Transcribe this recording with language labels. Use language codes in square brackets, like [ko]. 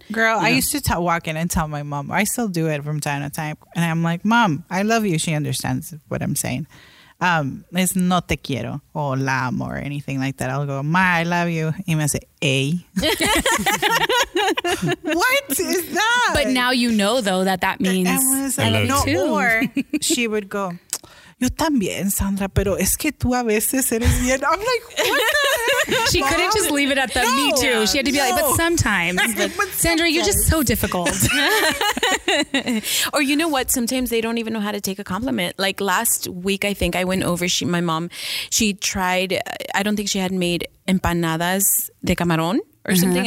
[en] Girl, I used to walk in and tell my mom, I still do it from time to time, and I'm like, Mom, I love you. She understands what I'm saying. It's [es] no te quiero [en] or [es] la amo [en] or anything like that. I'll go, Ma, I love you. [es] Y me hace, ey. [en] What is that? But now you know, though, that means or she would go, [es] Yo también, Sandra, pero es que tú a veces eres bien. [en] I'm like, what the She Mom? Couldn't just leave it at the no. me too. She had to be like, but sometimes. But Sandra, sometimes. You're just so difficult. Or you know what? Sometimes they don't even know how to take a compliment. Like last week, I think I went over, I don't think she had made empanadas de camarón or something.